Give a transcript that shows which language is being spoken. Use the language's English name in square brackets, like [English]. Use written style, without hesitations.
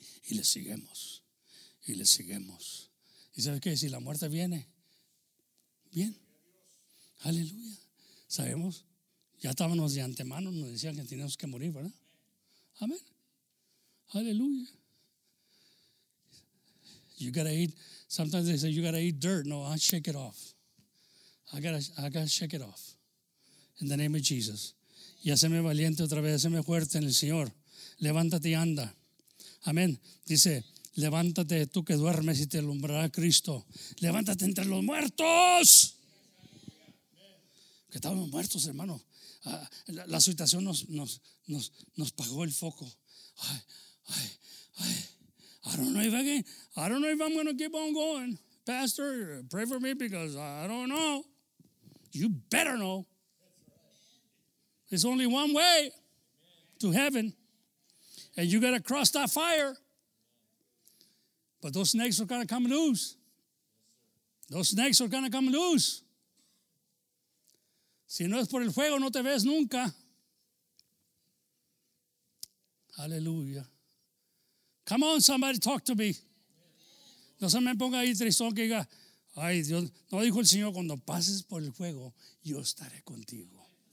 [Spanish] Y le seguimos. Y le seguimos. ¿Y sabes qué? Si la muerte viene, bien. Aleluya. Sabemos, ya estábamos de antemano, nos decían que teníamos que morir, ¿verdad? Amén. Aleluya. [English] You gotta eat, sometimes they say, you gotta eat dirt. No, I shake it off. I gotta shake it off. In the name of Jesus. [Spanish] Y haceme valiente otra vez, haceme fuerte en el Señor. Levántate y anda. Amén. Dice, levántate tú que duermes y te alumbrará Cristo. Levántate entre los muertos. Que estábamos muertos, hermano. La situación nos pagó el foco. Ay. [English] I don't know if I'm going to keep on going. Pastor, pray for me because I don't know. You better know. There's only one way to heaven. And you got to cross that fire. But those snakes are going to come loose. Those snakes are going to come loose. [Spanish] Si no es por el fuego, no te ves nunca. [English] Hallelujah. Come on, somebody, talk to me. [Spanish] No se me ponga ahí tristón que diga, ay, Dios, no dijo el Señor, cuando pases por el fuego, yo estaré contigo.